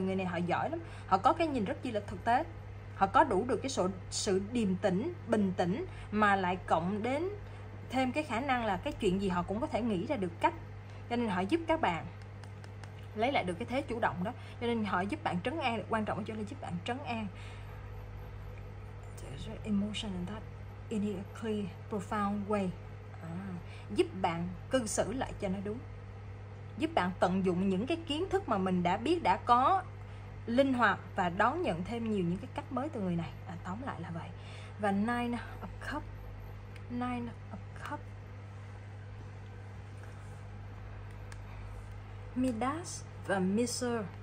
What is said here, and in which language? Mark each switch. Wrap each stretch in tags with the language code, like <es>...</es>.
<vi>Người này họ giỏi lắm, họ có cái nhìn rất chi là thực tế, họ có đủ được cái sự điềm tĩnh, bình tĩnh, mà lại cộng đến thêm cái khả năng là cái chuyện gì họ cũng có thể nghĩ ra được cách, cho nên họ giúp các bạn lấy lại được cái thế chủ động đó, cho nên họ giúp bạn trấn an, quan trọng cho nên giúp bạn trấn an.</vi> <en>Emotion and that in a clear, profound way.</en> <vi>Giúp bạn cư xử lại cho nó đúng, giúp bạn tận dụng những cái kiến thức mà mình đã biết, đã có, linh hoạt và đón nhận thêm nhiều những cái cách mới từ người này. Tóm lại là vậy. Và Nine of Cup, Nine of Cup, Midas và Miser.</vi>